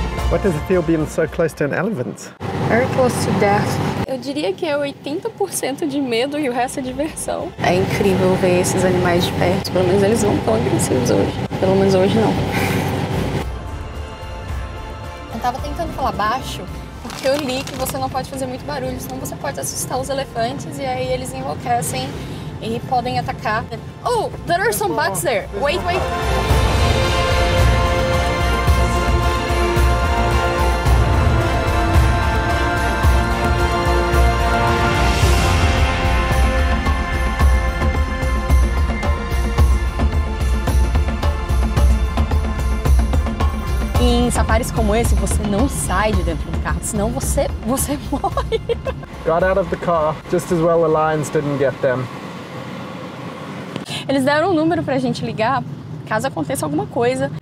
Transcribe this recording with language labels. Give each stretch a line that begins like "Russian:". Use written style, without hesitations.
English: How does it feel being so close to an elephant? Very close to death.
Portuguese: Eu diria que é 80% de medo e o resto é diversão. É incrível ver esses animais de perto. Pelo menos eles não estão agressivos hoje. Pelo menos hoje não. Eu tava tentando falar baixo porque eu li que você não pode fazer muito barulho, senão você pode assustar os elefantes e aí eles enlouquecem e podem atacar.
English: Oh, there are some bugs there. Wait, wait.
Portuguese: Safaris como esse, você não sai de dentro do carro, senão você morre.
English: Got out of the car, just as well the lions didn't get them.
Portuguese: Eles deram um número pra gente ligar, caso aconteça alguma coisa.